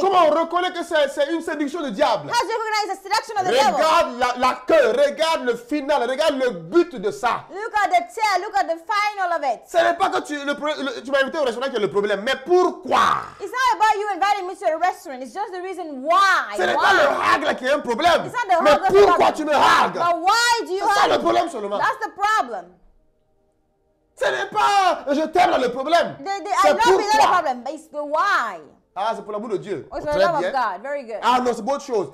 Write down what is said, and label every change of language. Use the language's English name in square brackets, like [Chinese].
[French] Comment on reconnaît que c'est une séduction du diable? [English] How do you recognize the seduction of the [French] regarde [English] devil? [French] Regarde la queue, regarde le final, regarde le but de ça. [English] Look at the tail, look at the final of it. [French] Ce n'est pas que tu m'as invité au restaurant qui est le problème, mais pourquoi? [English] It's not about you inviting me to a restaurant, it's just the reason why. [French] Ce n'est pas le hag là qui est un problème. [English] It's not the hag. [French] Mais pourquoi tu me hag? [English] But why do you hag? [French] C'est ça le problème seulement. [English] That's the problem. [French] Ce n'est pas je t'aime le problème. C'est pourquoi. [English] The problem, but it's the why. [French] Ah, c'est pour l'amour de Dieu. Oh, oh, très bien. [English] God. Very good. [French] Ah non, c'est pour autre chose.